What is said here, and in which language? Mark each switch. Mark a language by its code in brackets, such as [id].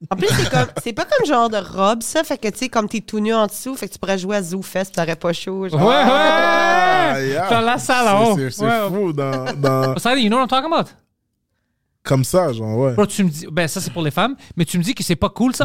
[fr] En plus, c'est pas comme genre de robe, ça. Fait que, tu sais, comme t'es tout nu en dessous, fait que tu pourrais jouer à ZooFest, t'aurais pas chaud. Genre. Ouais, ouais! [en] Yeah. [fr] Dans la salle, là-haut. C'est fou. [en] But Sally, you know what I'm talking about? [fr] Comme ça, genre, ouais. Bro, tu me dis, ben ça, c'est pour les femmes, mais tu me dis que c'est pas cool, ça.